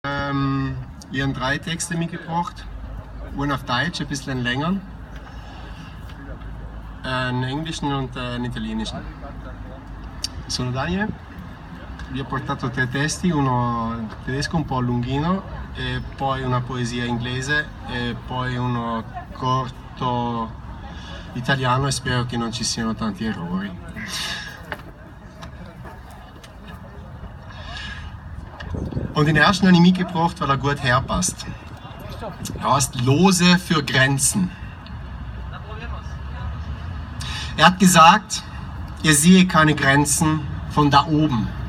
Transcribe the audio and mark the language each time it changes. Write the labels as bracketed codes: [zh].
[de] Wir haben drei Texte mitgebracht. Einen auf Deutsch, ein bisschen länger. Einen englischen und einen italienischen. [it] Sono Daniel. Vi ho portato tre testi, uno tedesco un po' lunghino, e poi una poesia inglese e poi uno corto italiano e spero che non ci siano tanti errori. [de] Und den ersten habe ich mitgebracht, weil er gut herpasst. Er heißt Lose für Grenzen. Er hat gesagt, er sehe keine Grenzen von da oben.